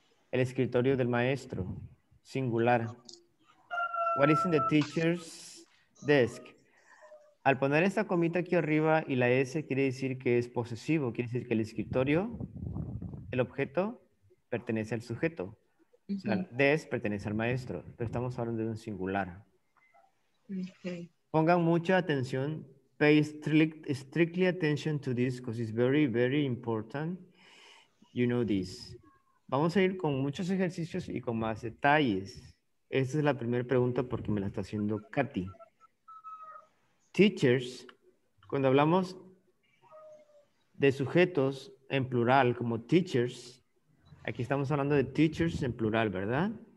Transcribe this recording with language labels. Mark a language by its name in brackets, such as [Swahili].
[Spanish] El escritorio del maestro, singular. [English] What is in the teacher's desk? [Spanish] Al poner esta comita aquí arriba y la S, quiere decir que es posesivo, quiere decir que el escritorio, el objeto, pertenece al sujeto. Uh-huh. O sea, desk pertenece al maestro, pero estamos hablando de un singular. Okay. Pongan mucha atención, [English] pay strictly attention to this because it's very, very important. You know this. [Spanish] Vamos a ir con muchos ejercicios y con más detalles. Esta es la primera pregunta porque me la está haciendo Katy. Teachers, cuando hablamos de sujetos en plural como teachers, aquí estamos hablando de teachers en plural, ¿verdad?